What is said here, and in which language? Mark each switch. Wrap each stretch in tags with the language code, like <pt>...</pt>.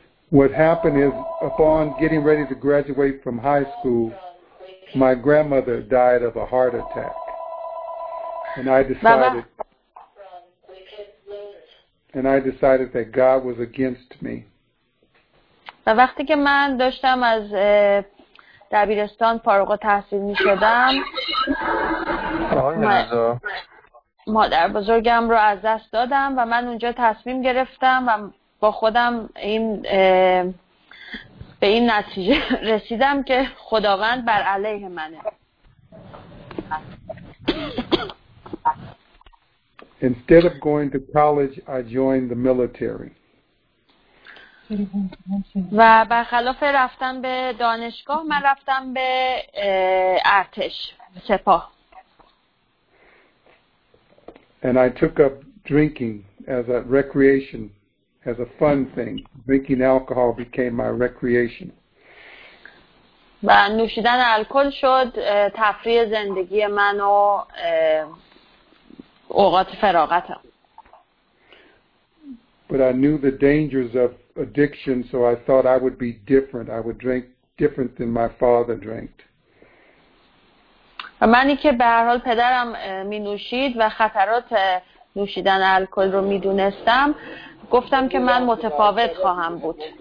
<en>What happened is, upon getting ready to graduate from high school, my grandmother died of a heart attack, and I decided that God was against me.</en> <fa>و وقتی که من داشتم از دبیرستان فارغ التحصیل می‌شدم، مادر بزرگم رو از دست دادم و من اونجا تصمیم گرفتم و با خودم این به این نتیجه رسیدم که خداوند بر علیه منه.</fa> <en>Instead of going to college, I joined the military.</en> <fa>و برخلاف رفتن به دانشگاه، من رفتم به ارتش، سپاه.</fa> <en>And I took up drinking as a recreation. As a fun thing, drinking alcohol became my recreation.</en> <fa>و نوشیدن الکل شد تفریح زندگی من و اوقات فراغتم.</fa> <en>But I knew the dangers of addiction, so I thought I would be different. I would drink different than my father drank.</en> <fa>و منی که به هر حال پدرم می نوشید و خطرات نوشیدن الکل رو می دونستم، گفتم که من متفاوت خواهم بود.</fa>